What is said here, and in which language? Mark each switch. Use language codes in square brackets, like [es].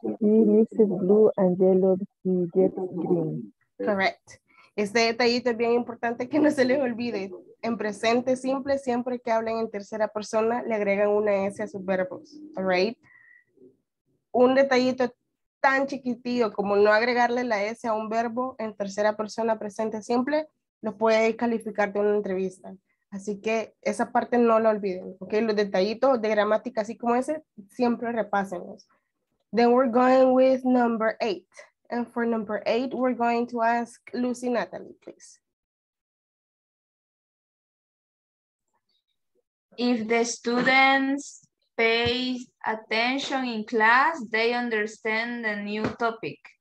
[en] He mixes blue and yellow, he gets green. Correct. [es] Este detallito es bien importante que no se les olvide. En presente simple, siempre que hablen en tercera persona, le agregan una S a sus verbos. [en] All right. [es] Un detallito tan chiquitito como no agregarle la S a un verbo en tercera persona presente simple, lo puede calificar de una entrevista. Así que esa parte no la olviden, ¿ok? Los detallitos de gramática así como ese, siempre repásenlos. [en] Then we're going with number eight. And for number eight, we're going to ask Lucy Natalie, please. If the students pay attention in class, they understand the new topic.